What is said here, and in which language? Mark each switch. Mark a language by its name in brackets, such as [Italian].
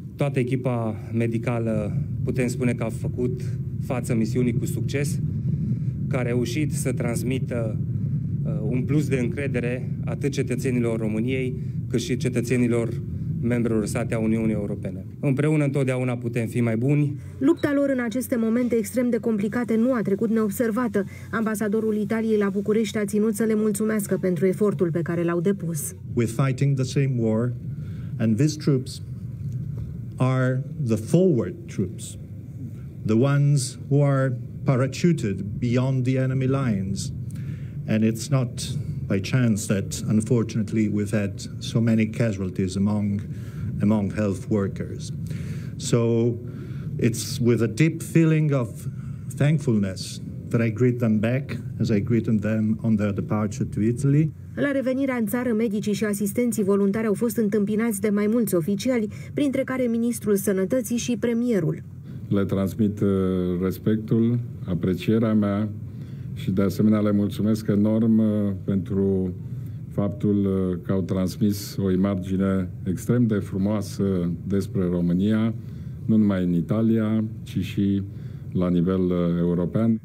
[Romanian] Toată echipa medicală putem spune că a făcut față misiunii cu succes, că a reușit să transmită un plus de încredere atât cetățenilor României, cât și cetățenilor membrilor statelor Uniunii Europene. Împreună întotdeauna putem fi mai buni. Lupta lor în aceste momente extrem de complicate nu a trecut neobservată. Ambasadorul Italiei la București a ținut să le mulțumească pentru efortul pe care l-au depus. [English] We're fighting the same war and these troops are the forward troops, the ones who are parachuted beyond the enemy lines. And it's not by chance that, unfortunately, we've had so many casualties among health workers. So it's with a deep feeling of thankfulness that I greet them back as I greeted them on their departure to Italy. [Romanian] La revenirea în țară, medicii și asistenții voluntari au fost întâmpinați de mai mulți oficiali, printre care ministrul sănătății și premierul. Le transmit respectul, aprecierea mea și de asemenea le mulțumesc enorm pentru faptul că au transmis o imagine extrem de frumoasă despre România, nu numai în Italia, ci și la nivel european.